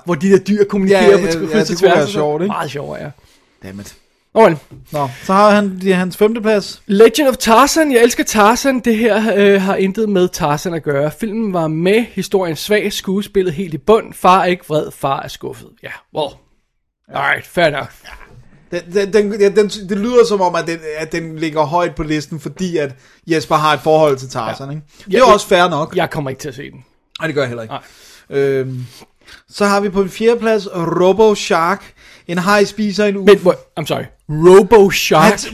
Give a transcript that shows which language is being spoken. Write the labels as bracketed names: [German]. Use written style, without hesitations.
[Danish] Hvor de der dyr kommunikerer på tværs. Ja, det kunne være sjovt, ikke? Meget sjovere, ja. [English] Dammit. Okay. [Danish] Nå, så har han hans 5. plads. Legend of Tarzan, jeg elsker Tarzan. Det her har intet med Tarzan at gøre. Filmen var med, historien svag, skuespillet helt i bund. Far er ikke vred, far er skuffet. [English] Ja, well, alright, fair enough. [Danish] Ja. Det lyder som om, at den ligger højt på listen, fordi at Jesper har et forhold til Tarzan. Ja. Ikke? Det er jo også fair nok. Jeg kommer ikke til at se den. Nej, det gør jeg heller ikke. Så har vi på en fjerde plads Robo Shark. En haj spiser en uf. [English] Wait, I'm sorry. Robo Shark.